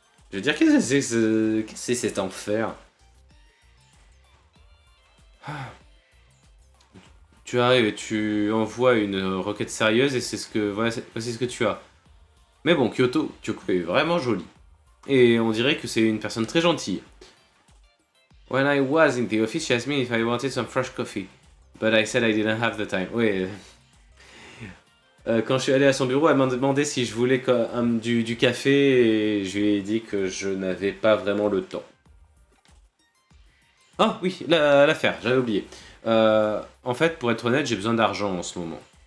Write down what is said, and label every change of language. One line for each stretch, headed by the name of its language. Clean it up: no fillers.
French: Je veux dire, qu'est-ce que c'est cet enfer? Tu arrives et tu envoies une requête sérieuse et c'est ce que voilà, voici ce que tu as. Mais bon, Kyoko est vraiment jolie. Et on dirait que c'est une personne très gentille.
English: When I was in the office, she asked me if I wanted some fresh coffee. But I said I didn't have the time. Oui.
French: Quand je suis allé à son bureau, elle m'a demandé si je voulais du café et je lui ai dit que je n'avais pas vraiment le temps. Ah oui, l'affaire, j'avais oublié. En fait, pour être honnête, j'ai besoin d'argent en ce moment.